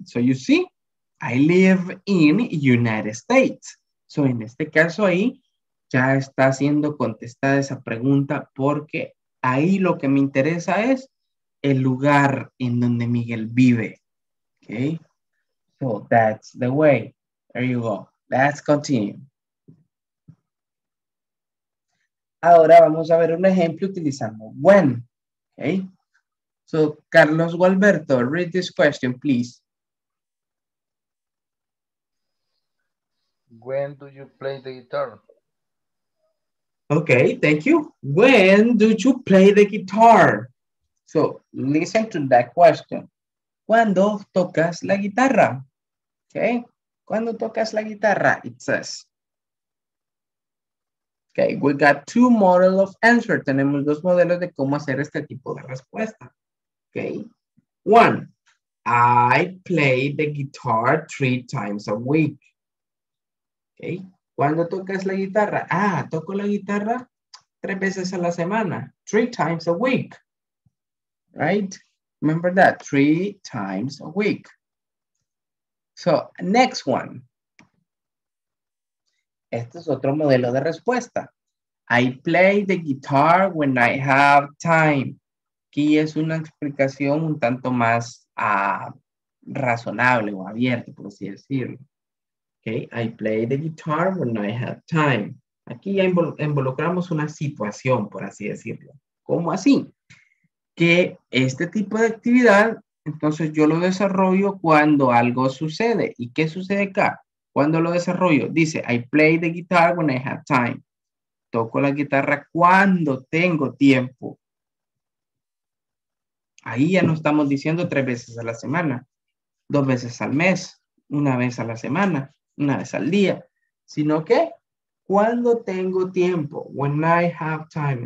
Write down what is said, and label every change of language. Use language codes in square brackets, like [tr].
[en] So you see, I live in United States. [es] So en este caso ahí, ya está siendo contestada esa pregunta porque ahí lo que me interesa es el lugar en donde Miguel vive. [en] Okay. So that's the way. There you go. Let's continue. [es] Ahora vamos a ver un ejemplo utilizando when. Okay. [en] So Carlos Gualberto, read this question, please. When do you play the guitar? Okay, thank you. When do you play the guitar? So, listen to that question. [es] ¿Cuándo tocas la guitarra? [en] Okay. [es] ¿Cuándo tocas la guitarra? [en] It says. Okay, we got two models of answer. [es] Tenemos dos modelos de cómo hacer este tipo de respuesta. [en] Okay. One, I play the guitar 3 times a week. Okay. [es] ¿Cuándo tocas la guitarra? Ah, toco la guitarra 3 veces a la semana. [en] 3 times a week. Right? Remember that. 3 times a week. So, next one. [es] Este es otro modelo de respuesta. [en] I play the guitar when I have time. [es] Aquí es una explicación un tanto más razonable o abierta, por así decirlo. [en] Okay, I play the guitar when I have time. [es] Aquí ya involucramos una situación, por así decirlo. ¿Cómo así? Que este tipo de actividad, entonces yo lo desarrollo cuando algo sucede. ¿Y qué sucede acá? ¿Cuándo lo desarrollo? Dice, [en] I play the guitar when I have time. [es] Toco la guitarra cuando tengo tiempo. Ahí ya no estamos diciendo 3 veces a la semana, 2 veces al mes, 1 vez a la semana, 1 vez al día, sino que cuando tengo tiempo, [en] when I have time.